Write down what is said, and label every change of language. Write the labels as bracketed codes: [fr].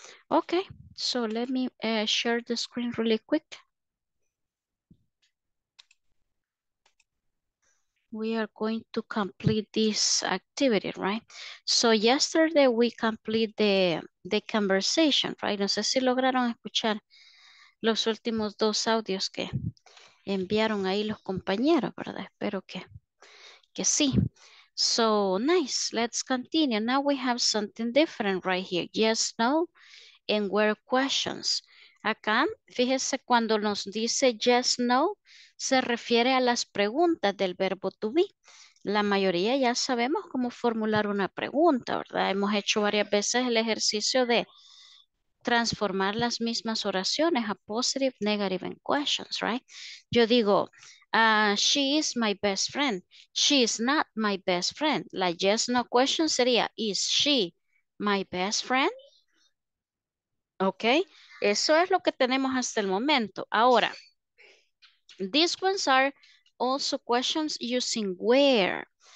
[en] Okay, so let me share the screen really quick. We are going to complete this activity, right? So yesterday we complete the conversation, right? [es] No sé si lograron escuchar los últimos dos audios que enviaron ahí los compañeros, ¿verdad? Espero que sí. [en] So nice, let's continue. Now we have something different right here. Yes, no, and where questions. [es] Acá, fíjese, cuando nos dice yes, no, se refiere a las preguntas del verbo to be. La mayoría ya sabemos cómo formular una pregunta, ¿verdad? Hemos hecho varias veces el ejercicio de transformar las mismas oraciones a [en] positive, negative, and questions, right? [es] Yo digo, [en] she is my best friend. She is not my best friend. [es] La [en] yes, no question [es] sería, [en] is she my best friend? [es] Ok, eso es lo que tenemos hasta el momento. Ahora, [en] these ones are also questions using where.